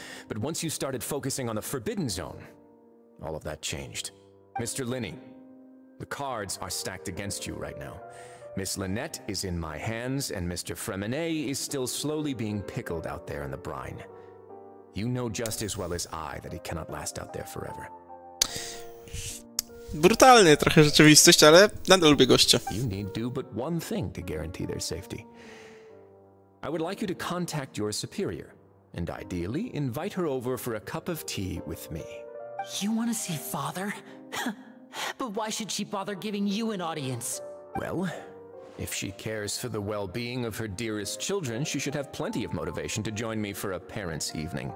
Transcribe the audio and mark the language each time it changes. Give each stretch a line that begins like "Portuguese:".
English: But once you started focusing on the Forbidden Zone, all of that changed. Mr. Linney, the cards are stacked against you right now. Miss Lynette is in my hands, and Mr. Fremeny is still slowly being pickled out there in the brine. You know just as well as I that he cannot last out there forever.
Polish: Brutalny trochę rzeczywistość, ale nadal lubię gościa.
English: You need do but one thing to guarantee their safety. I would like you to contact your superior, and ideally invite her over for a cup of tea with me. You want to see Father? But why should she bother giving you an audience? Well, if she cares for the well-being of her dearest children, she should have plenty of motivation to join me for a parents' evening.